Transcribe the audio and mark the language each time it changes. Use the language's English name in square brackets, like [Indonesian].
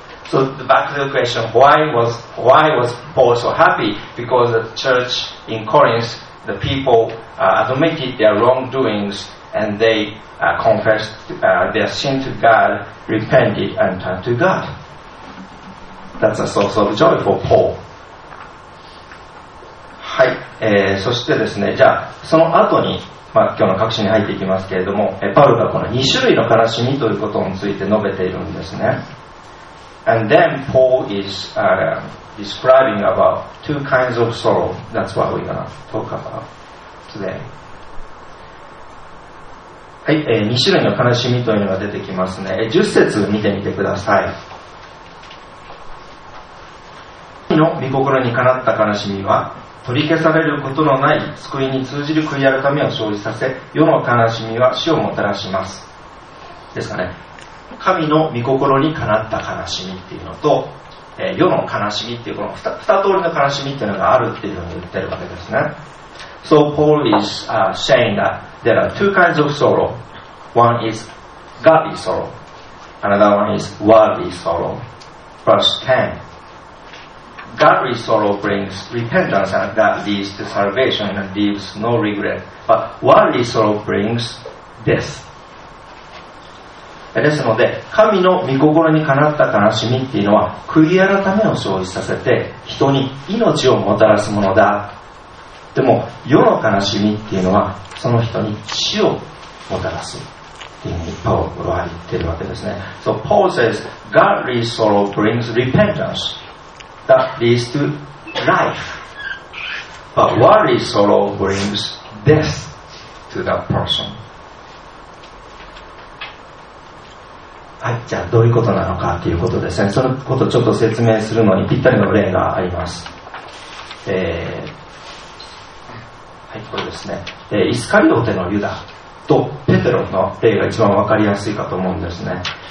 [English] So back to the question, why was Paul so happy? Because the church in Corinth, the people admitted their wrongdoings, and they confessed their sin to God, repented, and turned to God. That's a source of joy for Paul. [Japanese] はい、そしてですね、じゃあその後に、まあ、今日の核心に入っていきますけれども、パウロがこの2種類の悲しみということについて述べているんですね。 [English] And then Paul is describing about two kinds of sorrow. That's what we're going to talk about today. [Japanese] はい、2種類の悲しみというのが出てきますね。10節見てみてください。神の御心にかなった悲しみは、取り消されることのない救いに通じる悔い改めを生じさせ、世の悲しみは死をもたらします。ですかね。神の御心にかなった悲しみっていうのと、世の悲しみっていうこの 2通りの悲しみっていうのがあるっていうふうに言ってるわけですね。 [English] So Paul is saying that there are two kinds of sorrow. One is godly sorrow. Another one is worldly sorrow. Verse 10. Godly sorrow brings repentance and that leads to salvation and leaves no regret. But worldly sorrow brings death. [Japanese] ですので神の御心にかなった悲しみっていうのは悔い改めを生じさせて人に命をもたらすものだ。でも世の悲しみっていうのはその人に死をもたらすっていうふうにパウロは言ってるわけですね。 [English] So Paul says Godly sorrow brings repentance that leads to life, but worldly sorrow brings death to that person. [Japanese] はい、じゃあどういうことなのかということですね。そのことをちょっと説明するのにぴったりの例があります。はい、これですね、イスカリオテのユダとペテロの例が一番わかりやすいかと思うんですね。